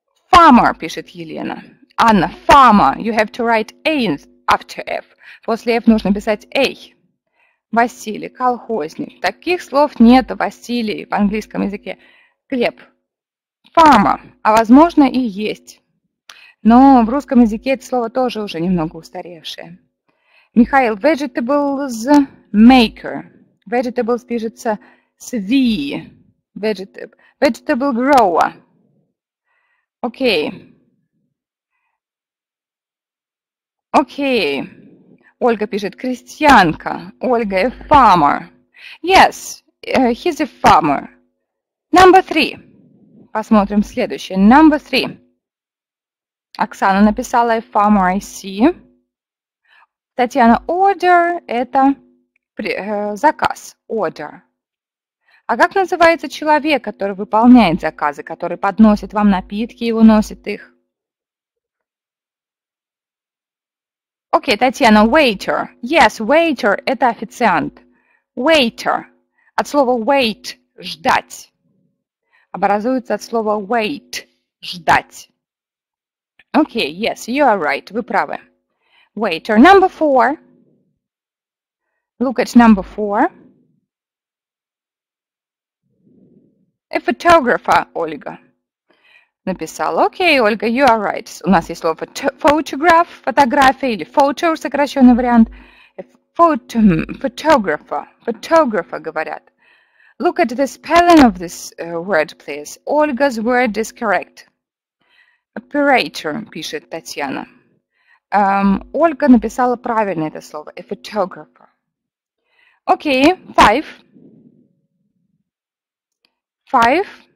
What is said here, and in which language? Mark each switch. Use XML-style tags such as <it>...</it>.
<ru>Farmer, пишет Елена. Анна, farmer.</ru> <en>You have to write A after F.</en> <ru>После F нужно писать A. Василий, колхозник. Таких слов нет, Василий, в английском языке. Глеб. Farmer. А возможно и есть. Но в русском языке это слово тоже уже немного устаревшее.</ru> <en>Михаил, vegetables maker.</en> <ru>Vegetables пишется с V.</ru> <en>Vegetable grower. Окей.</en> <ru>Окей. Ольга пишет, крестьянка.</ru> <en>Ольга, a farmer. Yes, he's a farmer. Number three.</en> <ru>Посмотрим следующее.</ru> <en>Number three.</en> <ru>Оксана написала, a farmer, I see. Татьяна, order – это заказ.</ru> <en>Order.</en> <ru>А как называется человек, который выполняет заказы, который подносит вам напитки и уносит их? Окей, Татьяна, waiter. Yes, waiter – это официант.</ru> <en>Waiter.</en> <ru>От слова wait – ждать. Образуется от слова wait – ждать.</ru> <en>Окей, yes, you are right.</en> <ru>Вы правы. Waiter.</ru> <en>Number four. Look at number four.</en> <ru>A photographer, Ольга написала.</ru> <en>Окей, Ольга, you are right.</en> <ru>У нас есть слово photograph, фотография или photo, сокращенный вариант. Photographer, говорят.</ru> <en>Look at the spelling of this word, please. Olga's word is correct.</en> <ru>Operator, пишет Татьяна. Ольга написала правильно это слово.</ru> <en>A photographer. Окей, five. Five.</en>